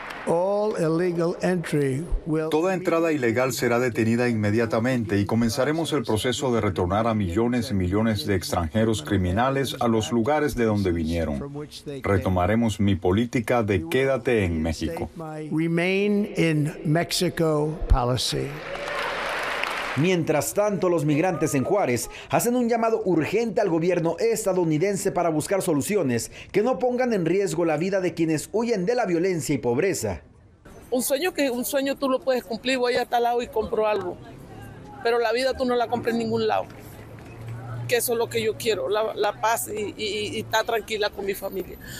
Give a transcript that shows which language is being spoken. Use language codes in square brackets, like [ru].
[es] Toda entrada ilegal será detenida inmediatamente y comenzaremos el proceso de retornar a millones y millones de extranjeros criminales a los lugares de donde vinieron. Retomaremos mi política de quédate en México. [en] Remain in Mexico policy. [es] Mientras tanto, los migrantes en Juárez hacen un llamado urgente al gobierno estadounidense para buscar soluciones que no pongan en riesgo la vida de quienes huyen de la violencia y pobreza. Un sueño tú lo puedes cumplir, voy a tal lado y compro algo, pero la vida tú no la compras en ningún lado, que eso es lo que yo quiero, la paz y estar tranquila con mi familia.